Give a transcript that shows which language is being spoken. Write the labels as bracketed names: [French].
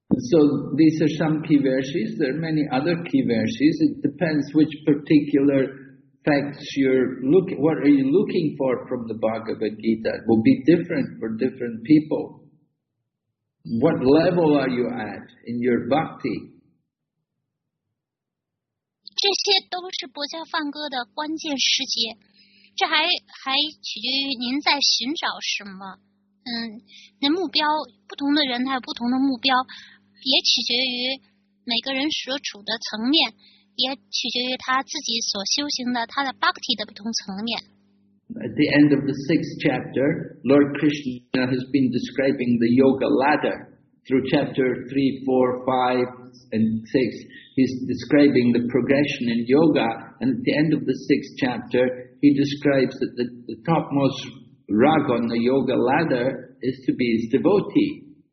[English] So these are some key verses. There are many other key verses. It depends which particular. Facts you're looking, what are you looking for from the Bhagavad Gita? It will be different for different people. What level are you at in your bhakti? [Chinese] 这些都是薄伽梵歌的关键时节，这还取决于您在寻找什么。您目标，不同的人他有不同的目标，也取决于每个人所处的层面。也取决于他自己所修行的他的 bhakti 的不同层面。 [English] At the end of the sixth chapter, Lord Krishna has been describing the yoga ladder through chapter 3, 4, 5, and 6. He's describing the progression in yoga, and at the end of the sixth chapter, he describes that the topmost rung on the yoga ladder is to be his devotee.